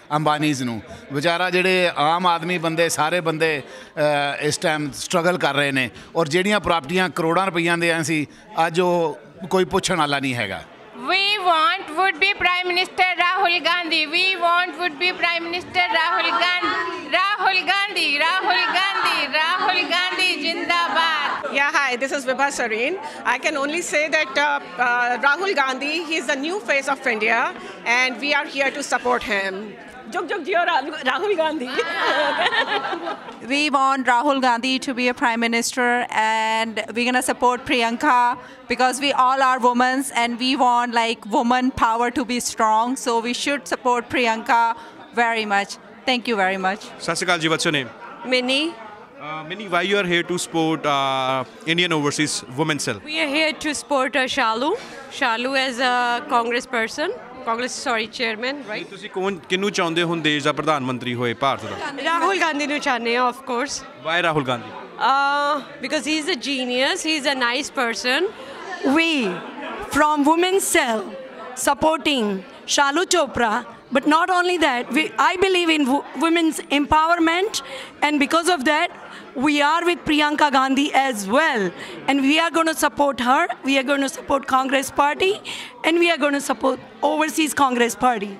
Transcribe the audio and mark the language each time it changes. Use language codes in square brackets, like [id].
[pa] ਅੰਬਾਨੀਜ਼ ਨੂੰ ਵਿਚਾਰਾ, ਜਿਹੜੇ ਆਮ ਆਦਮੀ ਬੰਦੇ ਸਾਰੇ ਬੰਦੇ ਇਸ ਟਾਈਮ ਸਟਰਗਲ ਕਰ ਰਹੇ ਨੇ, ਔਰ ਜਿਹੜੀਆਂ ਪ੍ਰਾਪਰਟੀਆਂ ਕਰੋੜਾਂ ਰੁਪਈਆਂ ਦੇ ਆਏ ਸੀ, ਅੱਜ ਉਹ ਕੋਈ ਪੁੱਛਣ ਵਾਲਾ ਨਹੀਂ ਹੈਗਾ। [en] We want would be prime minister Rahul Gandhi, we want would be prime minister Rahul Gandhi, Rahul Gandhi, Rahul Gandhi, Rahul Gandhi ਜਿੰਦਾਬਾਦ। Yeah, hi, this is Vibha Sareen. I can only say that Rahul Gandhi, he is the new face of India and we are here to support him. [hi] Juk juk jiyo Rahul Gandhi. [en] We want Rahul Gandhi to be a prime minister and we're going to support Priyanka because we all are women and we want like woman power to be strong, so we should support Priyanka very much. Thank you very much. Sasikal ji, what's your name? Mini. Mini, why you are here to support Indian Overseas Women Cell? We are here to support Shalu. Shalu as a Congress person. Congress, sorry, chairman, right? [pa] ਤੁਸੀਂ ਕੌਣ ਕਿਨੂੰ ਚਾਹੁੰਦੇ ਹੋ ਦੇਸ਼ ਦਾ ਪ੍ਰਧਾਨ ਮੰਤਰੀ ਹੋਏ ਭਾਰਤ ਦਾ? ਰਾਹੁਲ ਗਾਂਧੀ ਨੂੰ ਚਾਹੁੰਦੇ ਹਾਂ, [en] Of course. Why Rahul Gandhi? Because he is a genius, he is a nice person. We from Women's Cell supporting Shalu Chopra. But not only that, I believe in women's empowerment and because of that we are with Priyanka Gandhi as well, and we are going to support her, we are going to support Congress party, and we are going to support Overseas Congress party.